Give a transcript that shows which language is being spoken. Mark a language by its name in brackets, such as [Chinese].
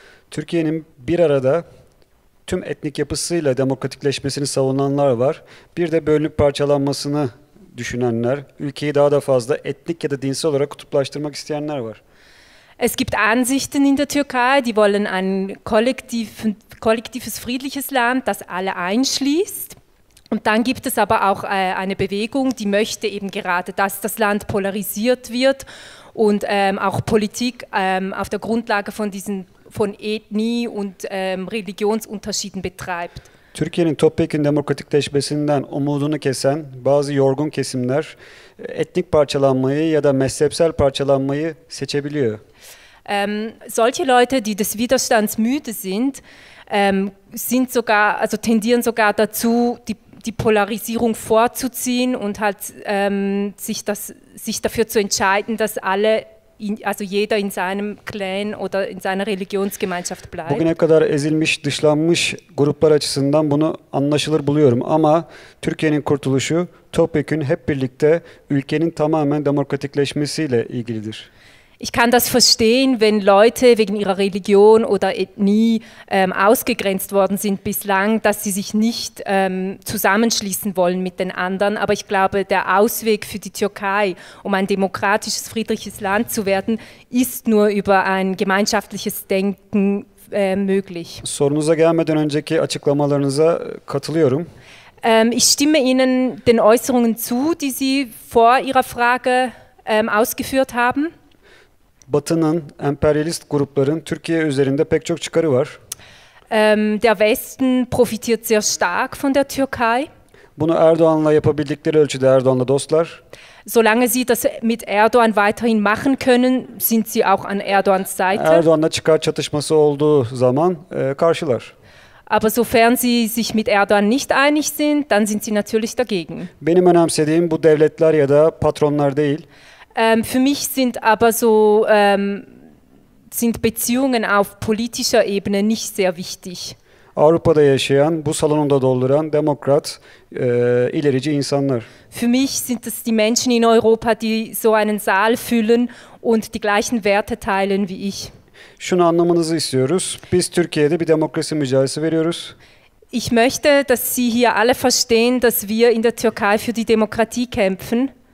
[Turkish] Türkiye'nin bir arada tüm etnik yapısıyla demokratikleşmesini savunanlar var. Bir de bölünüp parçalanmasını düşünenler, ülkeyi daha da fazla etnik ya da dinsel olarak kutuplaştırmak isteyenler var. [German] Es gibt Ansichten in der Türkei, die wollen ein kollektives friedliches Land, das alle einschließt. Und dann gibt es aber auch eine Bewegung, die möchte eben gerade, dass das Land polarisiert wird und auch Politik auf der Grundlage von Ethnie und Religionsunterschieden betreibt. [Turkish] Türkiye'nin topyekün demokratikleşmesinden umudunu kesen bazı yorgun kesimler etnik parçalanmayı ya da mezhepsel parçalanmayı seçebiliyor. [German] Solche Leute, die des Widerstands müde sind, sind sogar, also tendieren sogar dazu, die Polarisierung vorzuziehen und halt sich dafür zu entscheiden, dass alle also jeder in seinem Clan oder in seiner Religionsgemeinschaft bleibt. [Turkish] Bugüne kadar ezilmiş, dışlanmış gruplar açısından bunu anlaşılır buluyorum. Ama Türkiye'nin kurtuluşu topyekün hep birlikte ülkenin tamamen demokratikleşmesiyle ilgilidir. [German] Ich kann das verstehen, wenn Leute wegen ihrer Religion oder Ethnie ausgegrenzt worden sind bislang, dass sie sich nicht zusammenschließen wollen mit den anderen. Aber ich glaube, der Ausweg für die Türkei, um ein demokratisches, friedliches Land zu werden, ist nur über ein gemeinschaftliches Denken möglich. [Turkish] Sorunuza gelmeden önceki açıklamalarınıza katılıyorum. [German] Ich stimme Ihnen den Äußerungen zu, die Sie vor Ihrer Frage ausgeführt haben. [Turkish] Batı'nın emperyalist grupların Türkiye üzerinde pek çok çıkarı var. [German] Der Westen profitiert sehr stark von der Türkei. [Turkish] Bunu Erdoğan'la yapabildikleri ölçüde Erdoğan'la dostlar. [German] Solange sie das mit Erdoğan weiterhin machen können, sind sie auch an Erdoğan's Seite. [Turkish] Erdoğan'la çıkar çatışması olduğu zaman karşılar. [German] Aber sofern sie sich mit Erdoğan nicht einig sind, dann sind sie natürlich dagegen. [Turkish] Benim önemsediğim bu devletler ya da patronlar değil. [German] Für mich sind aber so sind Beziehungen auf politischer Ebene nicht sehr wichtig. [Turkish] Avrupa'da yaşayan, bu salonu da dolduran demokrat, ilerici insanlar. [German] Für mich sind es die Menschen in Europa, die so einen Saal füllen und die gleichen Werte teilen wie ich. [Turkish] Şunu anlamanızı istiyoruz. Biz Türkiye'de bir demokrasi mücadelesi veriyoruz. [German] Ich möchte, dass Sie hier alle verstehen, dass wir in der Türkei für die Demokratie kämpfen.